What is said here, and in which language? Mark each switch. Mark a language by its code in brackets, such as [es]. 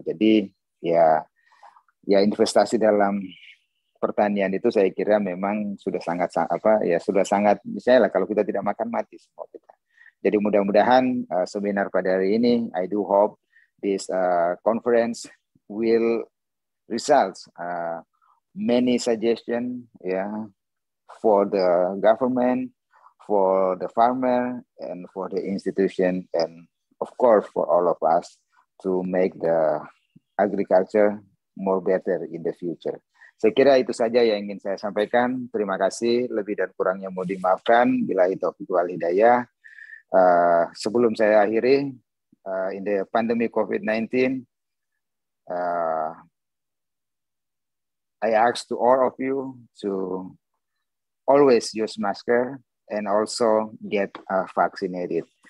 [id] Jadi ya investasi dalam pertanian itu saya kira memang sudah sangat misalnya lah, kalau kita tidak makan mati semua kita. Jadi mudah-mudahan seminar pada hari ini, [en] I do hope this conference will result many suggestion for the government, for the farmer, and for the institution, and of course for all of us to make the agriculture more better in the future. [id] Saya kira itu saja yang ingin saya sampaikan. Terima kasih, lebih dan kurangnya mohon dimaafkan. [ar] Billahi taufiq wal hidayah. [id] Sebelum saya akhiri, [en] in the pandemic COVID-19, I ask to all of you to always use masker and also get vaccinated.